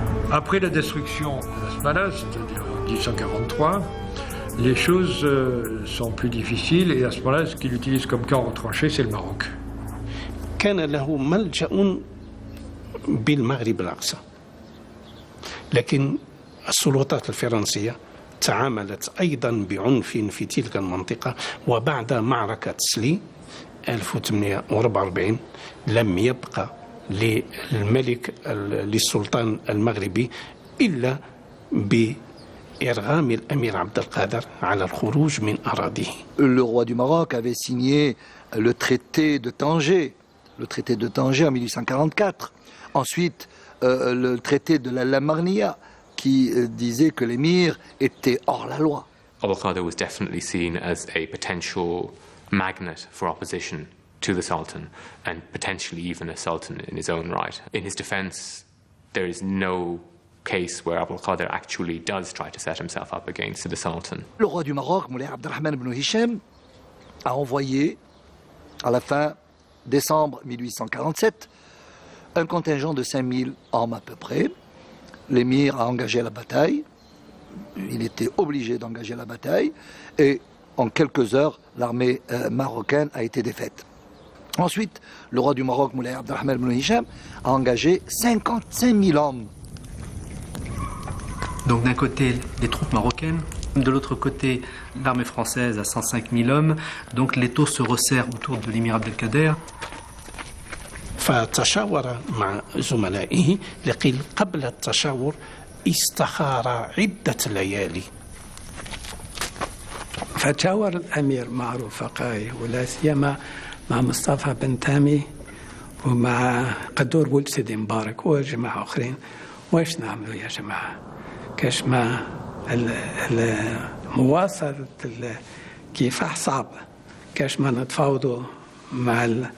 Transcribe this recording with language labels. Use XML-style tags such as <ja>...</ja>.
<fr>Après la destruction de la Smala, c'est-à-dire en 1845, 1843, les choses sont plus difficiles et à ce moment-là, ce qu'il utilise comme camp retranché, c'est le Maroc.</fr> <ar>كان له ملجأ بالمغرب الأقصى لكن السلطات الفرنسية تعاملت أيضا بعنف في تلك المنطقة وبعد معركة سلي 1844 لم يبقى للملك للسلطان المغربي إلا بإرغام الأمير عبد القادر على الخروج من أراضيه.</ar> <fr>Le roi du Maroc avait signé le traité de Tanger. Le traité de Tanger en 1844. Ensuite, le traité de la Lamarnia, qui disait que l'émir était hors la loi.</fr> <en>Abdelkader was definitely seen as a potential magnet for opposition to the Sultan, and potentially even a Sultan in his own right. In his defense, there is no case where Abdelkader actually does try to set himself up against the Sultan.</en> <fr>Le roi du Maroc, Moulay Abdelrahman ibn Hisham, a envoyé à la fin. Décembre 1847, un contingent de 5000 hommes à peu près. L'émir a engagé la bataille. Il était obligé d'engager la bataille. Et en quelques heures, l'armée marocaine a été défaite. Ensuite, le roi du Maroc, Moulay Abdelrahman ibn Hisham, a engagé 55 000 hommes. Donc d'un côté, les troupes marocaines. De l'autre côté, l'armée française a 105 000 hommes. Donc l'étau se resserre autour de l'émir Abdelkader.</fr> <ar>فتشاور مع زملائه لقيل قبل التشاور استخار عدة ليالي فتشاور الأمير مع رفقائه ولا سيما مع مصطفى بن تامي ومع قدور بولت سيدي مبارك وجماعة أخرين واش نعملوا يا جماعة كاش ما المواصلة الكفاح صعب كاش ما نتفاوضوا مع</ar>